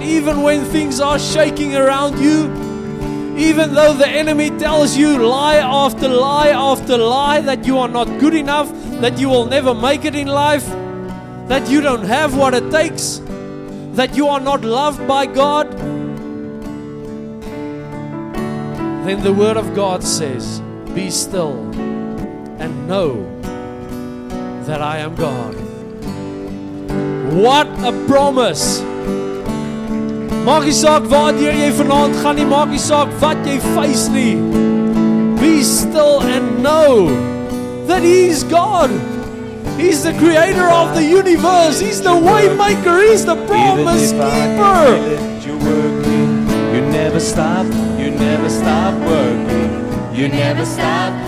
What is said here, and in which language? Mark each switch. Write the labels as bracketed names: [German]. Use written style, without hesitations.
[English] Even when things are shaking around you, even though the enemy tells you lie after lie after lie that you are not good enough, that you will never make it in life, that you don't have what it takes, that you are not loved by God, then the Word of God says, be still and know that I am God. What a promise! [Afrikaans] Maak nie saak waardeur jy vanaand gaan nie, maak nie saak wat jy face nie. [English] Be still and know that He is God. He's the creator of the universe. He's the way maker. He's the promise keeper. You're working. You never stop. You never stop working. You never stop.